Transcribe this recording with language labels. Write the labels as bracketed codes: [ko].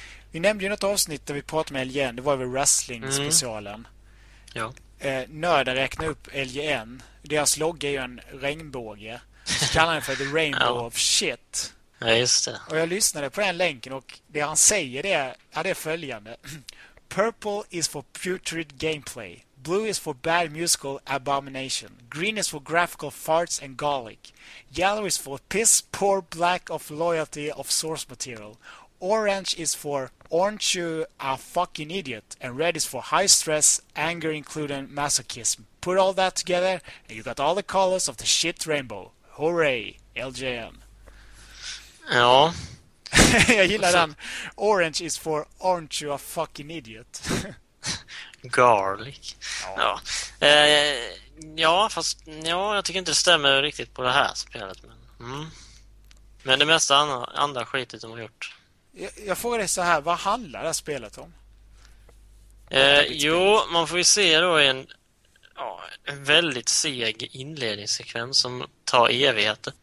[sv] Vi nämnde ju något avsnitt där vi pratade med LGN, det var väl wrestling-specialen. Ja. Nörden räknade upp LGN, deras logga är ju en regnbåge, så kallar han den för [en] The Rainbow [sv] Ja. [en] of Shit. [sv] Ja, just det. Och jag lyssnade på den länken och det han säger det är följande. [en] Purple is for putrid gameplay. Blue is for bad musical abomination. Green is for graphical farts and garlic. Yellow is for piss poor black of loyalty of source material. Orange is for aren't you a fucking idiot? And red is for high stress, anger including masochism. Put all that together and you got all the colors of the shit rainbow. Hooray, LJN. [sv] Ja. Jag gillar den. [en] Orange is for aren't you a fucking idiot? Garlic. [sv] Ja. Ja. Ja, fast ja, jag tycker inte det stämmer riktigt på det här spelet. Men det mesta andra skitet de har gjort. Jag frågar dig så här, vad handlar det här spelet om? 8-bit-spelet. Jo, man får ju se då i en väldigt seg inledningssekvens som tar evigheter.